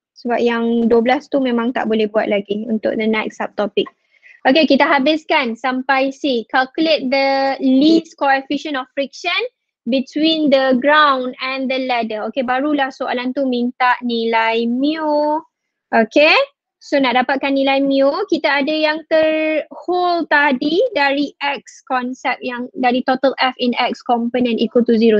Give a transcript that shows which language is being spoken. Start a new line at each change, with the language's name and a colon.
Malay: Sebab yang 12 tu memang tak boleh buat lagi untuk
English: the next subtopic.
Malay: Okay, kita habiskan sampai C.
English: Calculate the least coefficient of friction between the ground and the ladder.
Malay: Okay, barulah soalan tu minta nilai mu. Okay, so nak dapatkan nilai mu, kita ada yang terhold tadi dari X konsep yang dari
English: total F in X component equal to zero.